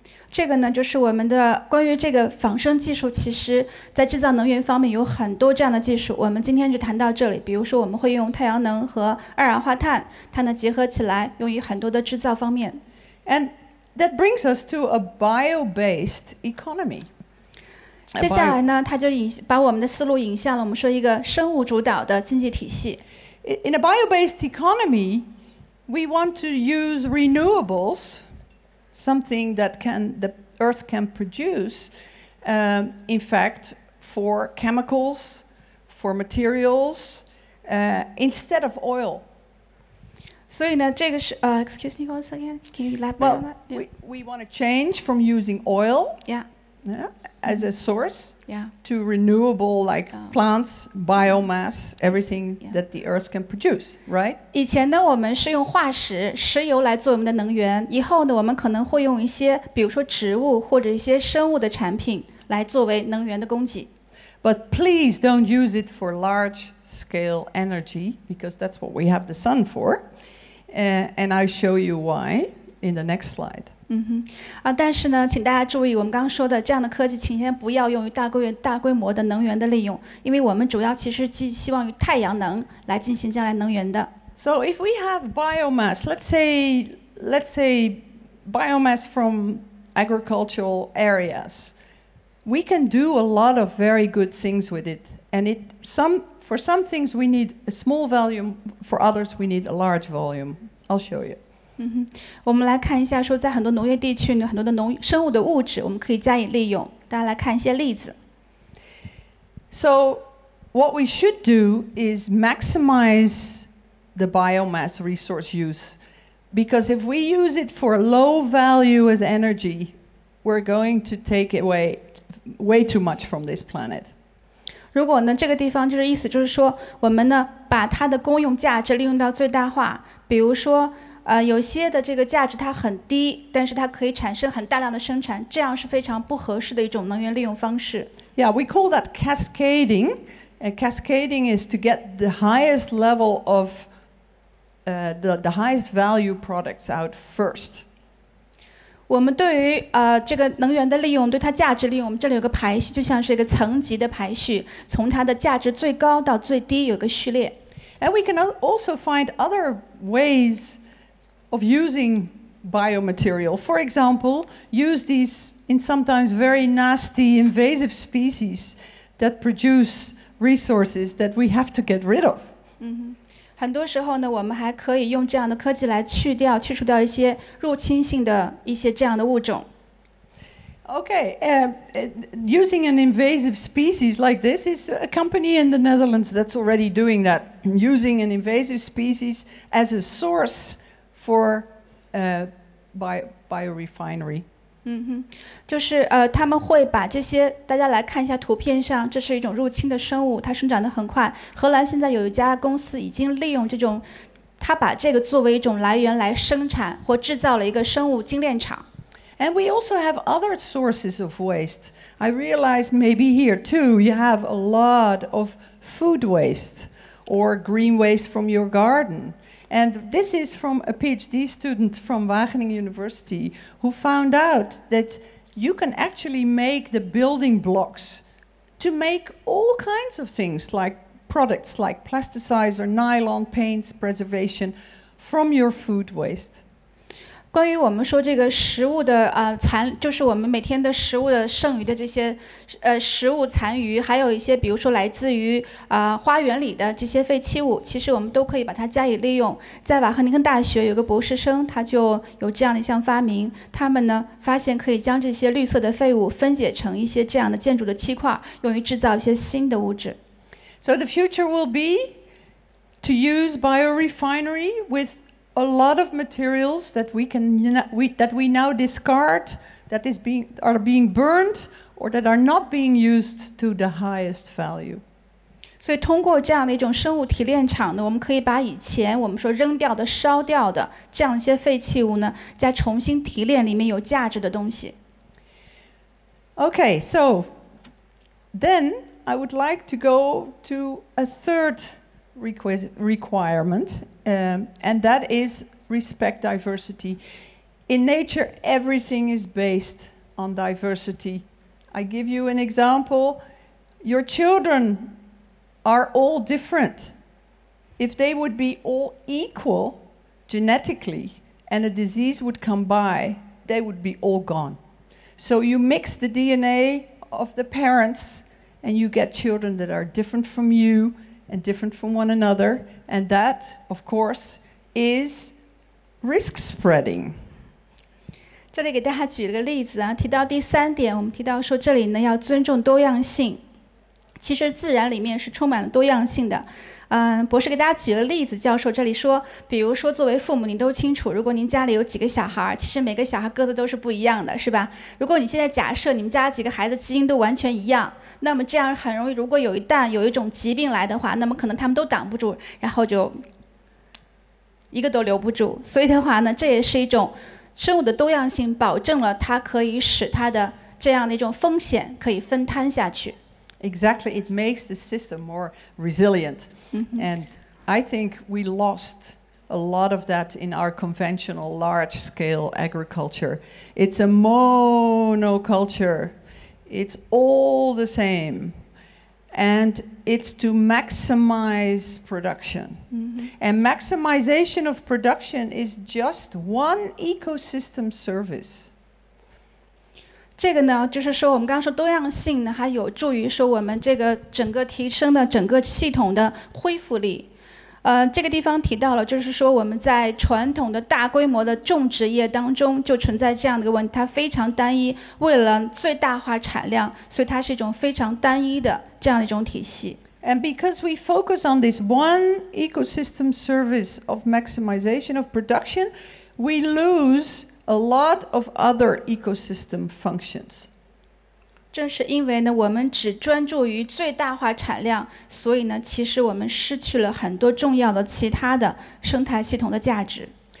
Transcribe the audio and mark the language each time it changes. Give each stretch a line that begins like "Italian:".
Chinese: 这个呢，就是我们的关于这个仿生技术，其实在制造能源方面有很多这样的技术。我们今天就谈到这里。比如说，我们会用太阳能和二氧化碳，它呢结合起来，用于很多的制造方面。
English: And that brings us to a bio-based economy.
Chinese: 接下来呢，它就把我们的思路引向了我们说一个生物主导的经济体系。
English: In a bio-based economy, we want to use renewables. Something that the earth can produce, in fact, for chemicals, for materials, instead of oil. So, excuse me one second, can you elaborate well, on that? Well, we want to change from using oil as a source to renewable, like plants, biomass, everything that the earth can produce, right?
Chinese: 以前呢，我们是用化石、石油来做我们的能源。以后呢，我们可能会用一些，比如说植物或者一些生物的产品来作为能源的供给。
English: But please don't use it for large-scale energy, because that's what we have the sun for. And I show you why in the next slide.
Chinese: 但是呢，请大家注意，我们刚刚说的这样的科技，请先不要用于大规模的能源的利用，因为我们主要其实寄希望于太阳能来进行将来能源的。
English: So if we have biomass, let's say biomass from agricultural areas, we can do a lot of very good things with it. And for some things we need a small volume, for others we need a large volume. I'll show you.
Chinese: 我们来看一下，说在很多农业地区呢，很多的农生物的物质，我们可以加以利用。大家来看一些例子。
English: So, what we should do is maximize the biomass resource use, because if we use it for low value as energy, we're going to take away way too much from this planet.
Chinese: 如果呢，这个地方就是意思就是说，我们呢把它的公用价值利用到最大化，比如说。有些的这个价值它很低，但是它可以产生很大量的生产，这样是非常不合适的一种能源利用方式。
English: Yeah, we call that cascading. Cascading is to get the highest level of the highest value products out first.
Chinese: 我们对于这个能源的利用，对它价值利用，我们这里有个排序，就像是一个层级的排序，从它的价值最高到最低有个序列。
English: And we can also find other ways. Of using biomaterial, for example, use these in sometimes very nasty invasive species that produce resources that we have to get rid of.
Chinese: 很多时候呢，我们还可以用这样的科技来去除掉一些入侵性的一些这样的物种。
English: Okay, using an invasive species like this is a company in the Netherlands that's already doing that, using an invasive species as a source. For biorefinery.
Chinese: 就是他们会把这些，大家来看一下图片上，这是一种入侵的生物，它生长得很快。荷兰现在有一家公司已经利用这种，它把这个作为一种来源来生产或制造了一个生物精炼厂。
English: And we also have other sources of waste. I realize maybe here too, you have a lot of food waste or green waste from your garden. And this is from a PhD student from Wageningen University who found out that you can actually make the building blocks to make all kinds of things like products like plasticizer or nylon paints preservation from your food waste.
Chinese: 关于我们说这个食物的残，就是我们每天的食物的剩余的这些食物残余，还有一些比如说来自于花园里的这些废弃物，其实我们都可以把它加以利用。在瓦赫宁根大学有个博士生，他就有这样的一项发明，他们呢发现可以将这些绿色的废物分解成一些这样的建筑的漆块，用于制造一些新的物质。
English: So the future will be to use biorefinery with. A lot of materials that we now discard, that is are being burned, or that are not being used to the highest value.
Chinese: So, 通过这样的一种生物提炼厂呢，我们可以把以前我们说扔掉的、烧掉的这样一些废弃物呢，再重新提炼里面有价值的东西。
English: Okay, so then I would like to go to a third. requirement, and that is respect diversity. In nature, everything is based on diversity. I give you an example. Your children are all different. If they would be all equal genetically and a disease would come by, they would be all gone. So you mix the DNA of the parents and you get children that are different from youand different from one another, and that, of course, is risk spreading.
Chinese: 这里给大家举了个例子啊，提到第三点，我们提到说这里呢要尊重多样性。其实自然里面是充满了多样性的。博士给大家举了例子，教授这里说，比如说作为父母，您都清楚，如果您家里有几个小孩，其实每个小孩个子都是不一样的，是吧？如果你现在假设你们家几个孩子基因都完全一样，那么这样很容易，如果有一种疾病来的话，那么可能他们都挡不住，然后就一个都留不住。所以的话呢，这也是一种生物的多样性，保证了它可以使它的这样的一种风险可以分摊下去。
English: Exactly, it makes the system more resilient. And I think we lost a lot of that in our conventional large-scale agriculture. It's a monoculture. It's all the same. And it's to maximize production. Mm-hmm. And maximization of production is just one ecosystem service.
Chinese: 这个呢就是说我们刚刚说多样性呢还有助于说我们这个整个提升的整个系统的恢复力。这个地方提到了就是说我们在传统的大规模的种植业当中就存在这样的一个问题，它非常单一，为了最大化产量，所以它是一种非常单一的这样一种体系。
English: And because we focus on this one ecosystem service of maximization of production, we lose a lot of other ecosystem functions.
Chinese: 正是因为呢，我们只专注于最大化产量，所以呢，其实我们失去了很多重要的其他的生态系统的价值。